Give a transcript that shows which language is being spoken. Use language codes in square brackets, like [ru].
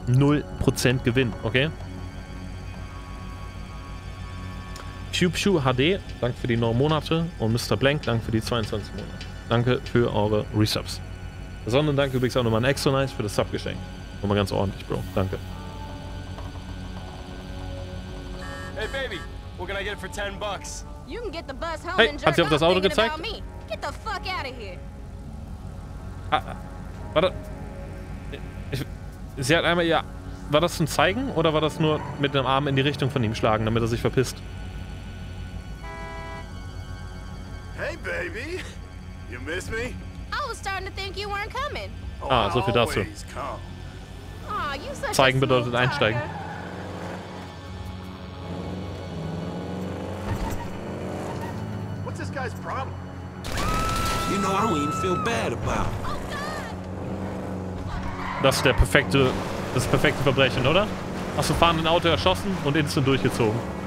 [de] 0% Gewinn, okay? PewPew HD, danke für die 9 Monate. Und Mr. Blank, danke für die 22 Monate. Danke für eure Resubs. Besonderen Dank übrigens auch nochmal an Exonice für das Subgeschenk. Nochmal ganz ordentlich, Bro. Danke. [en] Hey, Baby, what can I get for 10 bucks? You can get the bus home. [de] Hey, hat sie auf das Auto gezeigt? [en] Get the fuck out of here. [de] Ah, warte. Sie hat einmal, ja. War das ein Zeigen oder war das nur mit dem Arm in die Richtung von ihm schlagen, damit er sich verpisst? [en] Hey, Baby. You miss me? I was starting to think you weren't coming. [de] Ah, so viel dazu. [en] Oh, you such [de] Zeigen bedeutet einsteigen. [en] What's this guy's problem? You know, I don't even feel bad about it. [de] Das ist das perfekte Verbrechen, oder? Hast du fahrenden Auto erschossen und instant durchgezogen.